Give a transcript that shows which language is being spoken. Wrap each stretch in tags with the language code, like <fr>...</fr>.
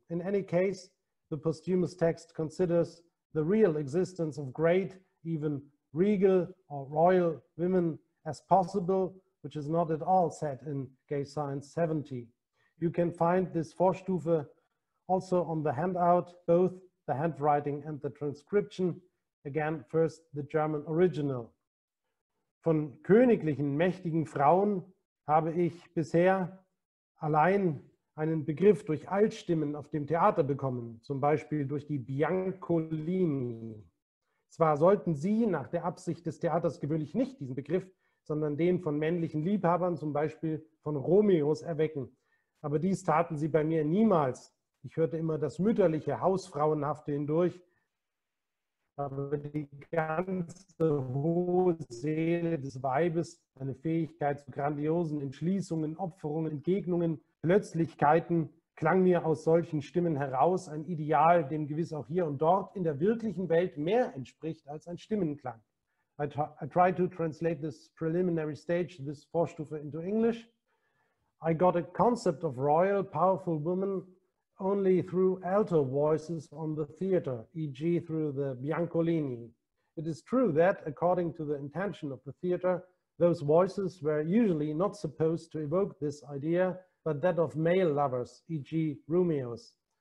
<en>In any case, the posthumous text considers the real existence of great, even regal or royal women as possible, which is not at all said in Gay Science 70. You can find this Vorstufe also on the handout, both the handwriting and the transcription. Again, first the German original.</en> <de>Von königlichen mächtigen Frauen habe ich bisher allein einen Begriff durch Altstimmen auf dem Theater bekommen, zum Beispiel durch die Biancolini. Zwar sollten sie nach der Absicht des Theaters gewöhnlich nicht diesen Begriff, sondern den von männlichen Liebhabern, zum Beispiel von Romeos, erwecken. Aber dies taten sie bei mir niemals. Ich hörte immer das mütterliche, Hausfrauenhafte hindurch. Aber die ganze hohe Seele des Weibes, eine Fähigkeit zu grandiosen Entschließungen, Opferungen, Entgegnungen, Plötzlichkeiten, klang mir aus solchen Stimmen heraus, ein Ideal, dem gewiss auch hier und dort in der wirklichen Welt mehr entspricht als ein Stimmenklang.</de> <en>I try to translate this preliminary stage, this Vorstufe, into English. I got a concept of royal, powerful women only through alto voices on the theater, e.g. through the Biancolini. It is true that, according to the intention of the theater, those voices were usually not supposed to evoke this idea, but that of male lovers, e.g. Romeo's.</en>